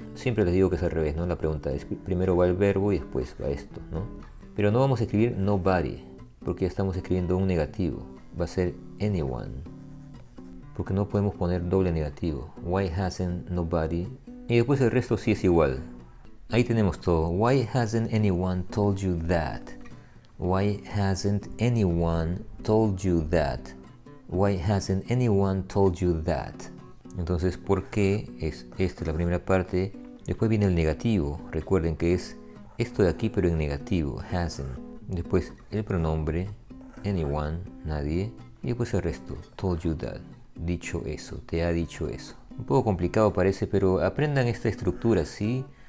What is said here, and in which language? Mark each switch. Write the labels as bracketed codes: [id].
[es] Siempre les digo que es al revés, ¿no? La pregunta es, primero va el verbo y después va esto, ¿no? Pero no vamos a escribir nobody, porque estamos escribiendo un negativo. Va a ser anyone. Porque no podemos poner doble negativo. [en] Why hasn't nobody. [es] Y después el resto sí es igual. Ahí tenemos todo. [en] Why hasn't anyone told you that? Why hasn't anyone told you that? Why hasn't anyone told you that? [es] Entonces, ¿por qué? Es esta la primera parte. Después viene el negativo. Recuerden que es esto de aquí, pero en negativo. Hasn't. Después el pronombre. Anyone. Nadie. Y después el resto. [en] Told you that. [es] Dicho eso. Te ha dicho eso. Un poco complicado parece, pero aprendan esta estructura, ¿sí?